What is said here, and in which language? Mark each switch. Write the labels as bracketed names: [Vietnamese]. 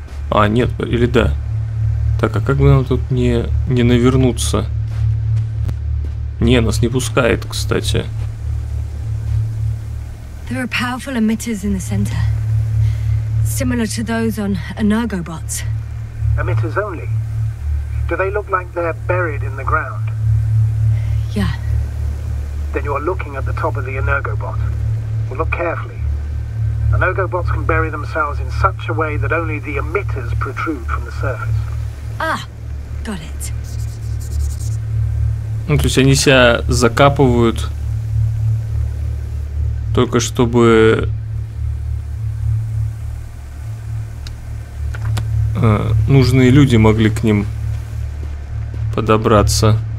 [Russian] А, нет, или да. Так, а как бы нам тут не навернуться? Не, нас не пускает, кстати. [English] There are powerful emitters in the center, similar to those on Energobots. Emitters only? Do they look like they're buried in the ground? Yeah. Then you are looking at the top of the Energobot. Well, look carefully. Energobots can bury themselves in such a way that only the emitters protrude from the surface. Ah, got it. [Russian] Ну, то есть они себя закапывают только чтобы нужные люди могли к ним подобраться.